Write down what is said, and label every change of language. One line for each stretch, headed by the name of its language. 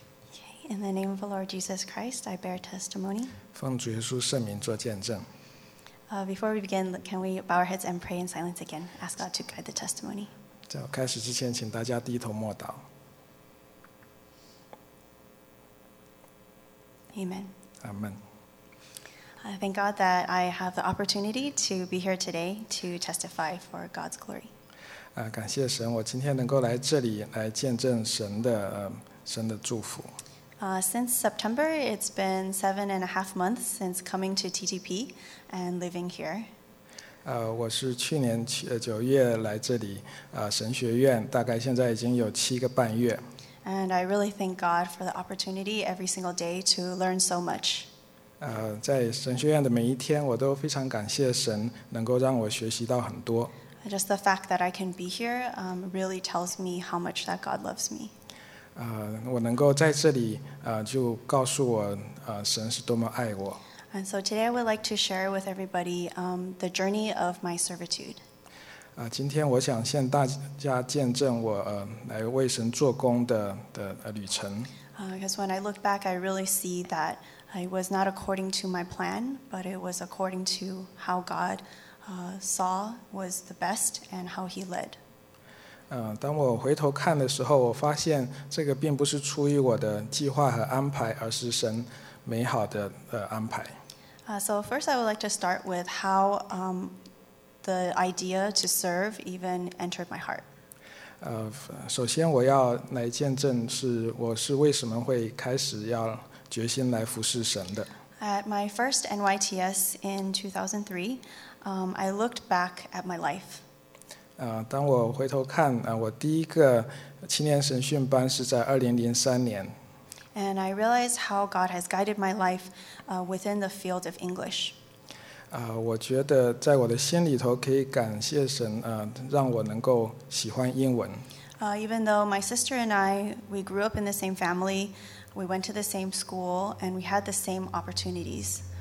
English: Okay, in the name of the Lord Jesus Christ, I bear testimony.
Chinese: 奉主耶稣圣名做见证。
English: Before we begin, can we bow our heads and pray in silence again? Ask God to guide the testimony.
Chinese: 在开始之前，请大家低头默祷。
English: Amen. Amen. I thank God that I have the opportunity to be here today to testify for God's glory.
Chinese: 感谢神，我今天能够来这里来见证神的神的祝福。
English: Since September, it's been 7.5 months since coming to TTP and living here.
Chinese: 我是去年9月来这里神学院，大概现在已经有7.5个月。
English: And I really thank God for the opportunity every single day to learn so much.
Chinese: 在神学院的每一天，我都非常感谢神能够让我学习到很多。
English: Just the fact that I can be here, really tells me how much that God loves me.
Chinese: 我能够在这里，就告诉我，神是多么爱我。
English: And so today I would like to share with everybody, the journey of my servitude.
Chinese: 今天我想向大家见证我来为神做工 的旅程。
English: Because when I look back, I really see that it was not according to my plan, but it was according to how God saw was the best and how He led.
Chinese: 当我回头看的时候，我发现这个并不是出于我的计划和安排，而是神美好的安排。
English: So first, I would like to start with how. The idea to serve even entered my heart.
Chinese: 首先我要来见证是我是为什么会开始要决心来服侍神的。
English: At my first NYTS in 2003, I looked back at my life.
Chinese: 当我回头看，我第一个青年神训班是在2003年。
English: And I realized how God has guided my life, within the field of English.
Chinese: 我觉得在我的心里头可以感谢神，让我能够喜欢英文。
English: Even though my sister and I, we grew up in the same family, we went to the same school, and we had the same opportunities.